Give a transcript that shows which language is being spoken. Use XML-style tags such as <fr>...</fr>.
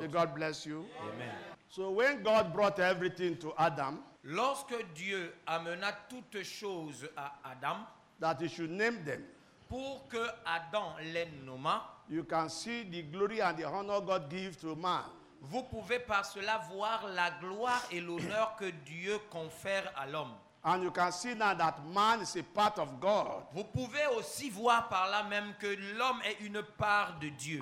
<en>May God bless you. Amen. So when God brought everything to Adam,</en> <fr>lorsque Dieu amena toutes choses à Adam,</fr> <en>that he should name them,</en> <fr>pour que Adam les nomma,</fr> <en>you can see the glory and the honor God gives to man.</en> <fr>Vous pouvez par cela voir la gloire et l'honneur que Dieu confère à l'homme.</fr> <en>And you can see now that man is a part of God.</en> <fr>Vous pouvez aussi voir par là même que l'homme est une part de Dieu.</fr>